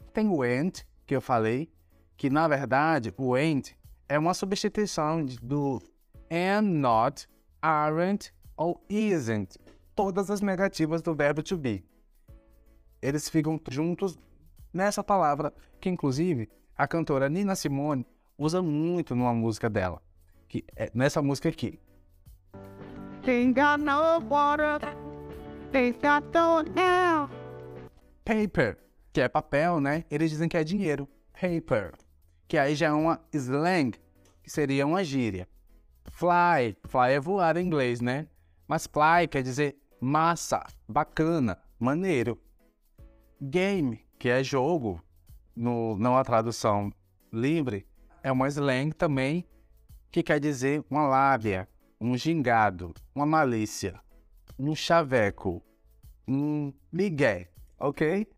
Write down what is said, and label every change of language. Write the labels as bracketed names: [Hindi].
[Portuguese] Tem o ain't, que eu falei, que na verdade o ain't é uma substituição do am not, aren't ou isn't. Todas as negativas do verbo to be. Eles ficam juntos nessa palavra, que inclusive a cantora Nina Simone usa muito numa música dela, que é nessa música aqui. [English] Ain't got no water, ain't got no now. [Portuguese] Paper. Que é papel, né? Eles dizem que é dinheiro. Paper. Que aí já é uma slang, que seria uma gíria. Fly. Fly é voar em inglês, né? Mas fly quer dizer massa, bacana, maneiro. Game, que é jogo, no, não a tradução livre, é uma slang também, que quer dizer uma lábia, um gingado, uma malícia, um chaveco, um migué, ok?